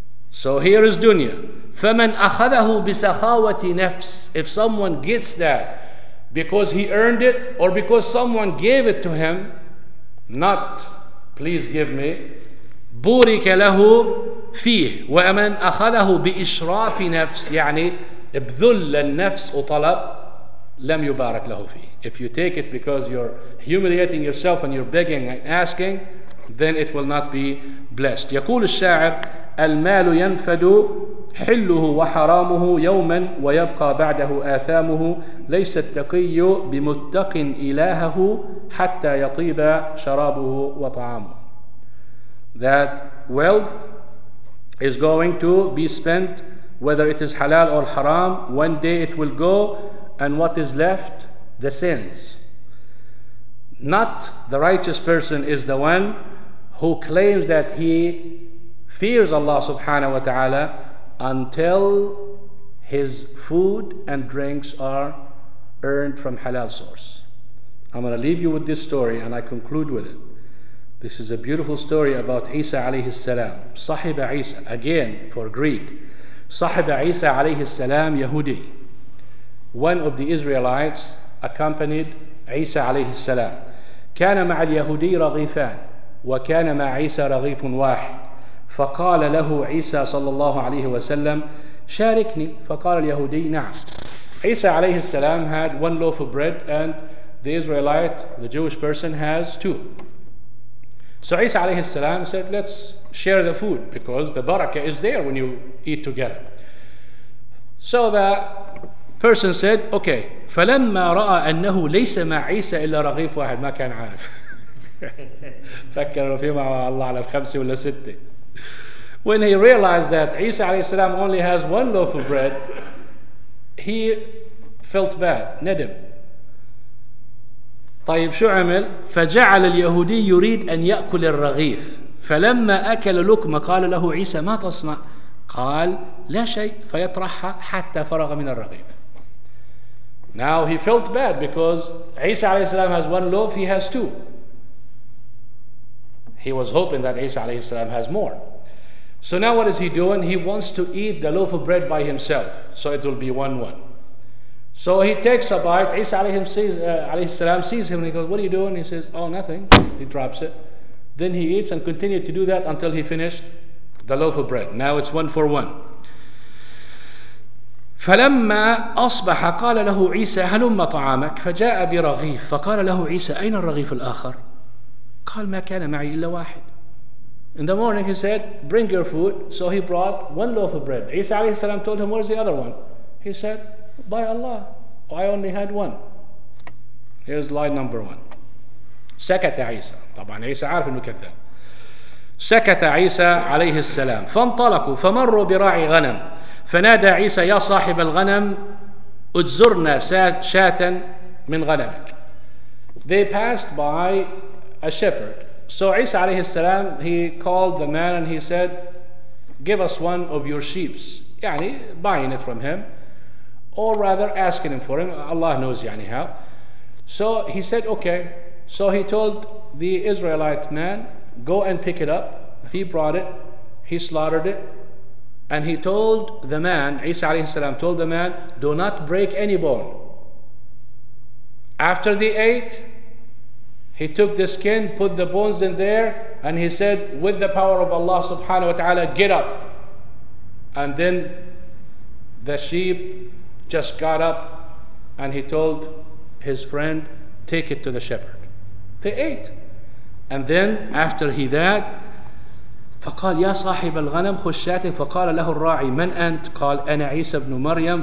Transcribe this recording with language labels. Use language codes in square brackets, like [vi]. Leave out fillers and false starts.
[en] So here is dunya. [ar] فَمَنْ أَخَذَهُ بِسَخَاوَةِ نَفْسِ. [en] If someone gets that because he earned it or because someone gave it to him, not please give me, [ar] بُورِكَ لَهُ فِيهِ. وَمَنْ أَخَذَهُ بِإِشْرَافِ نَفْسِ يعني ابذل النفس وطلب لم يبارك له فيه. [en] If you take it because you're humiliating yourself and you're begging and asking, then it will not be blessed. [ar] يقول الشاعر المال ينفد حله وحرامه يوما ويبقى بعده آثامه ليس التقي بمتق إلهه حتى يطيب شرابه وطعامه. [en] That wealth is going to be spent whether it is halal or haram. One day it will go and what is left? The sins. Not the righteous person is the one who claims that he fears Allah subhanahu wa ta'ala until his food and drinks are earned from halal source. I'm going to leave you with this story and I conclude with it. This is a beautiful story about Isa alayhi salam. Sahib Isa, again for Greek. Sahib Isa alayhi salam, Yahudi. One of the Israelites accompanied Isa alayhi salam. [ar] كان مع اليهودي رغيفان وكان مع عيسى رغيف واحد. فقال له عيسى صلى الله عليه وسلم شاركني. فقال اليهودي نعم. [en] عيسى عليه السلام had one loaf of bread and the Israelite, the Jewish person, has two. So عيسى عليه السلام said let's share the food because the barakah is there when you eat together. So the person said okay. [ar] فلما رأى أنه ليس مع عيسى إلا رغيف واحد. ما كان عارف. فكروا فيه مع الله على الخمسة ولا ستة. [en] When he realized that Isa alayhi salam only has one loaf of bread, he felt bad, ندم. [ar] طيب شو عمل؟ فجعل اليهودي يريد أن يأكل الرغيف. فلما أكل لقمة قال له عيسى ما تصنع؟ قال لا شيء. فيطرحها حتى فرغ من الرغيف. [en] Now he felt bad because Isa alayhi salam has one loaf, he has two. He was hoping that Isa alayhi salam has more. So now what is he doing? He wants to eat the loaf of bread by himself. So it will be one. So he takes a bite. Isa alayhi salam sees him and he goes, what are you doing? He says, oh, nothing. He drops it. Then he eats and continued to do that until he finished the loaf of bread. Now it's one for one. [ar] فلما أصبح قال له عيسى هلم طعامك. فجاء برغيف. فقال له عيسى أين الرغيف الآخر؟ قال ما كان معي إلا واحد. [en] In the morning he said bring your food. So he brought one loaf of bread. Isa alayhi salam told him where's the other one? He said by Allah I only had one. Here's line number one. [ar] سكت عيسى. طبعا عيسى عارف انه كذب. سكت عيسى عليه السلام. فانطلقوا فمروا براعي غنم. فنادى عيسى يا صاحب الغنم اجزرنا شاة من غنمك. [en] They passed by a shepherd. So Isa alayhi salam, he called the man and he said, give us one of your sheep. يعني buying it from him. Or rather asking him for him. Allah knows يعني how. So he said, okay. So he told the Israelite man, go and pick it up. He brought it. He slaughtered it. And he told the man, Isa alayhi salam told the man, do not break any bone. After they ate, he took the skin, put the bones in there, and he said, with the power of Allah subhanahu wa ta'ala, get up. And then the sheep just got up and he told his friend, take it to the shepherd. They ate. And then after he that, [ar] فقال يا صاحب الغنم خش شاتك. فقال له الراعي من أنت؟ قال أنا عيسى بن مريم.